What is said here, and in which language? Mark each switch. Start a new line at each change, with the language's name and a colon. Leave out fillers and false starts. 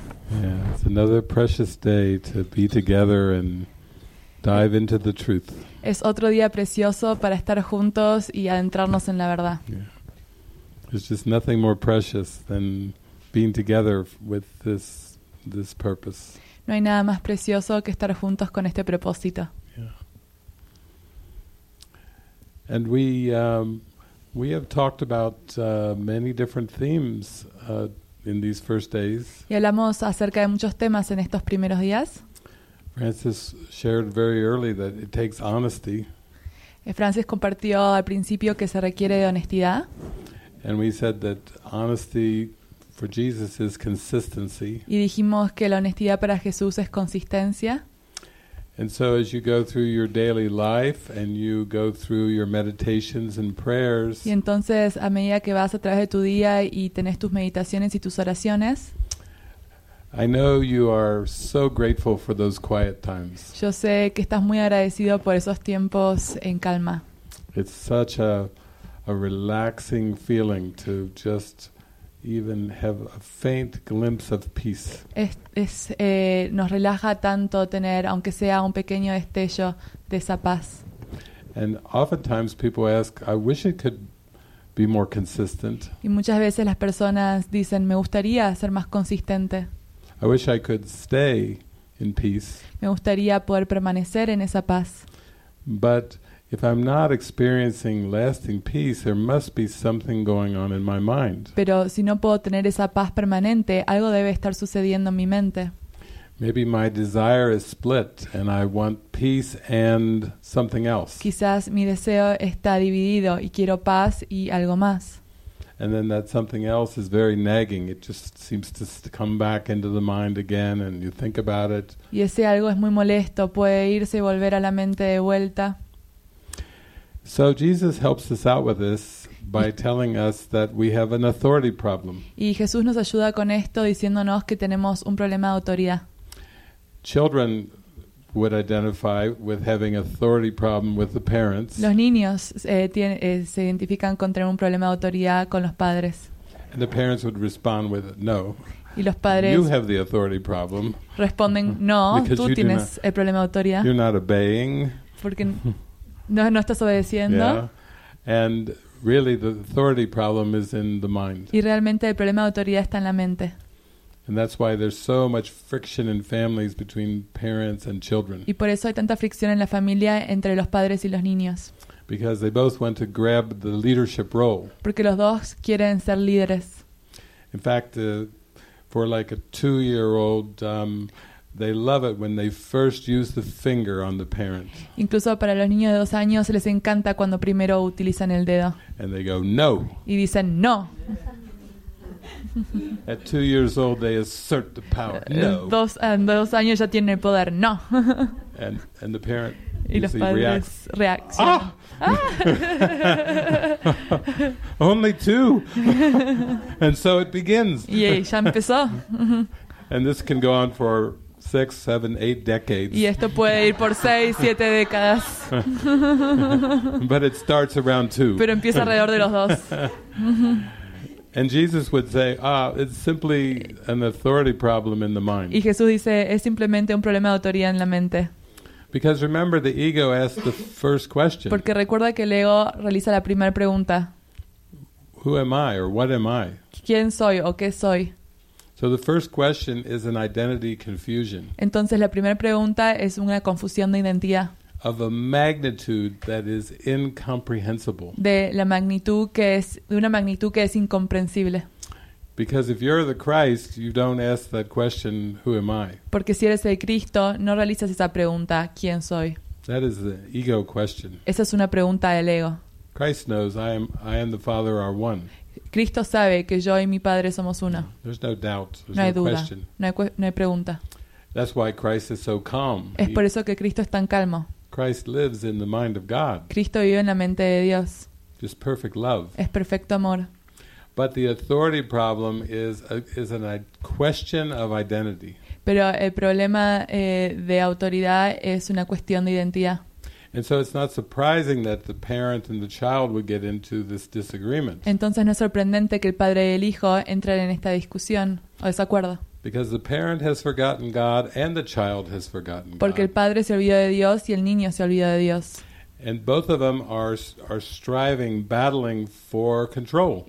English: Yeah, it's another precious day to be together and dive into the truth.
Spanish: Es otro día precioso para estar juntos y adentrarnos en la verdad.
English: Yeah. There's just nothing more precious than being together with this purpose.
Spanish: No hay nada más precioso que estar juntos con este propósito.
English: Yeah. And we have talked about many different themes in these first days.
Spanish: Y hablamos acerca de muchos temas en estos primeros días.
English: Francis shared very early that it takes honesty.
Spanish: Francis compartió al principio que se requiere de honestidad.
English: And we said that honesty for Jesus is consistency.
Spanish: Y dijimos que la honestidad para Jesús es consistencia.
English: And so as you go through your daily life and you go through your meditations and prayers.
Spanish: Y entonces a medida que vas a través de tu día y tenés tus meditaciones y tus oraciones.
English: I know you are so grateful for those quiet times.
Spanish: Yo sé que estás muy agradecido por esos tiempos en calma.
English: It's such a relaxing feeling to just even have a faint glimpse of peace.
Spanish: Nos relaja tanto tener, aunque sea un pequeño destello de esa paz.
English: And oftentimes people ask, I wish it could be more consistent.
Spanish: Y muchas veces las personas dicen, me gustaría ser más consistente.
English: I wish I could stay in peace.
Spanish: Me gustaría poder permanecer en esa paz.
English: But if I'm not experiencing lasting peace, there must be something going on in my mind.
Spanish: Pero si no puedo tener esa paz permanente, algo debe estar sucediendo en mi mente.
English: Maybe my desire is split and I want peace and something else.
Spanish: Quizás mi deseo está dividido y quiero paz y algo más.
English: And then that something else is very nagging. It just seems to come back into the mind again, and you think about it.
Spanish: Y ese algo es muy molesto. Puede irse y volver a la mente de vuelta.
English: So Jesus helps us out with this by telling us that we have an authority problem.
Spanish: Y Jesús nos ayuda con esto diciéndonos que tenemos un problema de autoridad.
English: Children would identify with having authority problem with the parents.
Spanish: Los niños se identifican con tener un problema de autoridad con los padres.
English: And the parents would respond with no.
Spanish: Y los padres
English: you have the authority problem.
Spanish: Responden no, tú tienes el problema de autoridad.
English: You're not obeying.
Spanish: Porque no estás obedeciendo.
English: Yeah. And really the authority problem is in the mind.
Spanish: Y realmente el problema de autoridad está en la mente.
English: And that's why there's so much friction in families between parents and children.
Spanish: Y por eso hay tanta fricción en la familia entre los padres y los niños.
English: Because they both want to grab the leadership role.
Spanish: Porque los dos quieren ser líderes.
English: In fact, for like a 2-year-old, they love it when they first use the finger on the parent.
Spanish: Incluso para los niños de 2 años les encanta cuando primero utilizan el dedo.
English: And they go no.
Spanish: Y dicen no.
English: At 2 years old, they assert the power. No.
Spanish: Dos años ya tienen el poder. No.
English: And the parent
Spanish: y los padres reaccionan.
English: Ah! Only two. And so it begins.
Spanish: Y ya empezó.
English: And this can go on for 6, 7, 8 decades.
Spanish: Y esto puede ir por 6, 7 décadas.
English: But it starts around 2.
Spanish: Pero empieza alrededor de los 2.
English: And Jesus would say, it's simply an authority problem in the mind.
Spanish: Y Jesús dice, es simplemente un problema de autoridad en la mente.
English: Because remember, the ego asks the first question.
Spanish: Porque recuerda que el ego realiza la primera pregunta.
English: Who am I or what am I?
Spanish: ¿Quién soy o qué soy?
English: So the first question is an identity confusion.
Spanish: Entonces la primera pregunta es una confusión de identidad.
English: Of a magnitude that is incomprehensible.
Spanish: De la magnitud que es de una magnitud que es incomprensible.
English: Because if you're the Christ, you don't ask that question, who am I?
Spanish: Porque si eres el Cristo, no realizas esa pregunta, ¿quién soy?
English: That is the ego question.
Spanish: Esa es una pregunta del ego.
English: Christ knows I am the Father are one.
Spanish: Cristo sabe que yo y mi Padre somos uno.
English: There's no doubt. There's no
Spanish: duda.
English: Question.
Spanish: No hay pregunta.
English: That's why Christ is so calm.
Spanish: Es por eso que Cristo es tan calmo.
English: Christ lives in the mind of God.
Spanish: Cristo vive en la mente de Dios.
English: Just perfect love.
Spanish: Es perfecto amor.
English: But the authority problem is a question of identity.
Spanish: Pero el problema de autoridad es una cuestión de identidad.
English: And so it's not surprising that the parent and the child would get into this disagreement.
Spanish: Entonces no es sorprendente que el padre y el hijo entren en esta discusión o desacuerdo.
English: Because the parent has forgotten God and the child has forgotten God.
Spanish: Porque el padre se olvidó de Dios y el niño se olvidó de Dios.
English: And both of them are striving, battling for control.